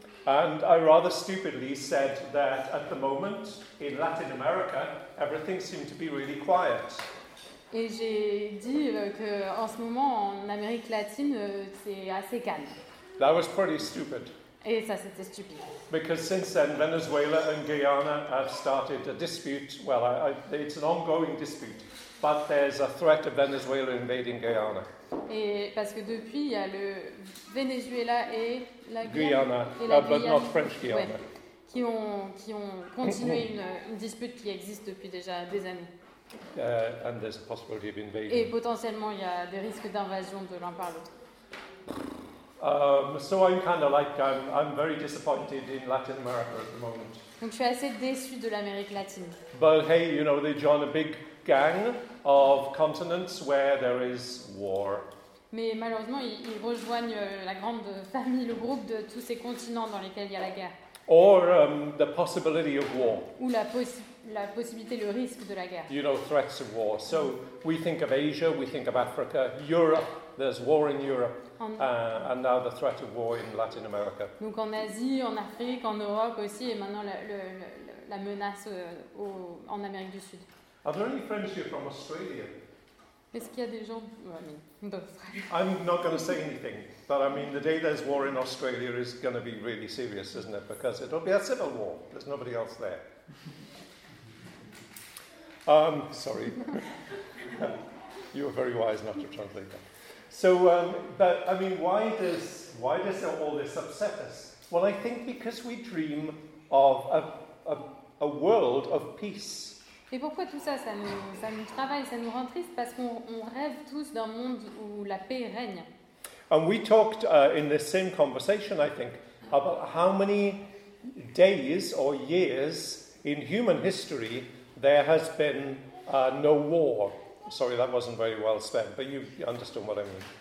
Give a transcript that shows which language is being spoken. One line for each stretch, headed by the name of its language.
English: And I rather stupidly said that at the moment in Latin America everything seemed to be really quiet.
French: Et j'ai dit que en ce moment en Amérique latine c'est assez calme.
English: That was pretty stupid.
French: Et ça c'était stupide.
English: Because since then Venezuela and Guyana have started a dispute. Well, it's an ongoing dispute. But there's a threat of Venezuela invading Guyana.
French: Et parce que depuis il y a le Venezuela et la
English: Guyana, but not French Guyana.
French: Ouais, qui ont continué une dispute qui existe depuis déjà des années.
English: And there's a possibility of invasion.
French: Et potentiellement il y a des risques d'invasion de l'un par l'autre.
English: So I'm kind of like I'm very disappointed in Latin America at the moment.
French: Donc je suis assez déçu de l'Amérique latine.
English: But hey, you know they join a big gang of continents where there is war.
French: Mais malheureusement, ils rejoignent la grande famille, le groupe de tous ces continents dans lesquels il y a la guerre.
English: Or the possibility of war.
French: Ou la possibilité, le risque de la guerre.
English: You know, threats of war. So we think of Asia, we think of Africa, Europe. There's war in Europe, and now the threat of war in Latin America.
French: Donc en Asie, en Afrique, en Europe aussi, et maintenant la menace en Amérique du Sud.
English: Are there any friends here from Australia?
French: Est-ce qu'il y a des gens d'Australie?
English: I'm not going to say anything, but I mean the day there's war in Australia is going to be really serious, isn't it? Because it'll be a civil war. There's nobody else there. Sorry. You were very wise not to translate that. So, but I mean, why does all this upset us? Well, I think because we dream of a world of peace.
French: Et pourquoi tout ça, ça nous travaille, ça nous rend triste, parce qu'on rêve tous d'un monde où la paix règne.
English: And we talked in this same conversation, I think, about how many days or years in human history there has been no war. Sorry, that wasn't very well spent, but you understood what I mean.